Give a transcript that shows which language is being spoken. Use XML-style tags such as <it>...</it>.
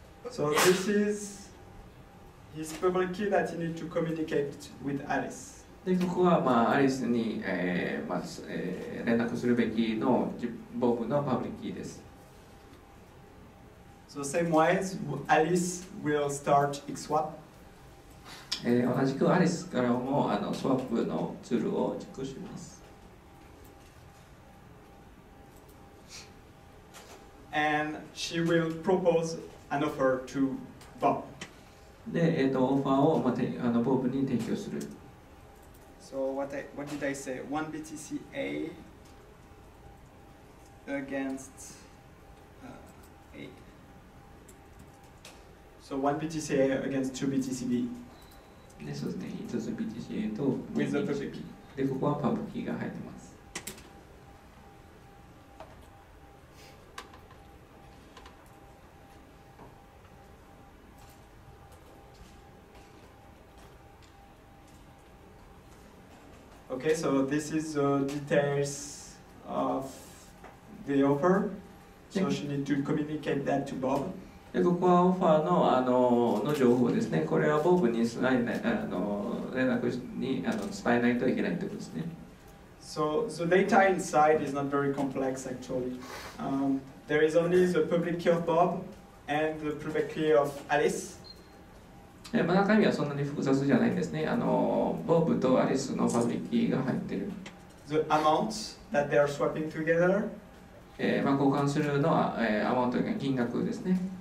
<en>So this is his public key that he needs to communicate with Alice.</en> <ja>で、ここはまあ、アリスに、まあ連絡するべきの僕のパブリックキーです。</ja> <en>So same ways, Alice will start X-Swap.</en> <ja>同じくアリスからもあの、スワップのツールを実行します。</ja> <en>And she will propose an offer to Bob.</en> <ja>で、オファーをまた、あの、ボブに提供する。</ja> <en>So what did I say? 1 BTCA against A. So 1 BTCA against 2 BTCB.</en> <ja>で、そうですね。1つ BTCA と</ja> <en>With the public key.</en> <ja>で、ここはパブキーが入ってます。</ja> <en>Okay, so this is the details of the offer. So she needs to communicate that to Bob.</en> <ja>で、ここはオファーの、の情報ですね。これはボブに伝えないといけないってことですね。</ja> <en>So the data inside is not very complex actually. There is only the public key of Bob and the private key of Alice.</en> <ja>中身はそんなに複雑じゃないですね。あのボブとアリスのパブリックキーが入っている。</ja> <en>The amount that they are swapping together、</en> <ja>まあ、交換するのは、アマウントが金額ですね。</ja>